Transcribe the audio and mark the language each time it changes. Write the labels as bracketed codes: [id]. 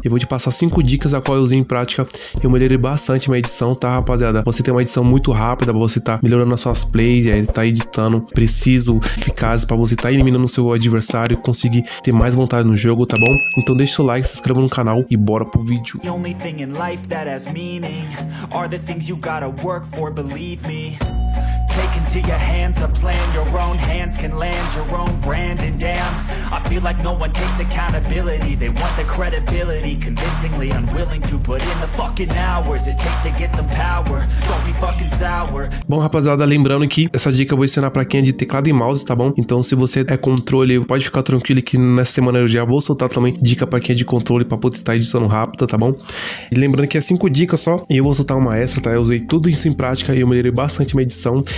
[pt] E vou te passar 5 dicas a qual eu usei em prática e eu melhorei bastante minha edição, tá, rapaziada? Você tem uma edição muito rápida, pra você tá melhorando as suas plays, tá editando preciso, eficaz, pra você tá eliminando o seu adversário e conseguir ter mais vontade no jogo, tá bom? Então deixa o like, se inscreva no canal e bora pro vídeo. [en] The only thing in life that has meaning are the things you gotta work for, believe me. Take into your hands a plan. Your own hands can land your own brand. And damn, I feel like no one takes accountability. They want the credibility, convincingly unwilling to put in the fucking hours it takes to get some power. Don't be fucking sour. [pt] Bom, rapaziada, lembrando que essa dica eu vou ensinar pra quem é de teclado e mouse, tá bom? Então se você é controle, pode ficar tranquilo que nessa semana eu já vou soltar também dica pra quem é de controle pra poder estar editando rápido, tá bom? E lembrando que é 5 dicas só e eu vou soltar uma extra, tá? Eu usei tudo isso em prática e eu melhorei bastante minha edição.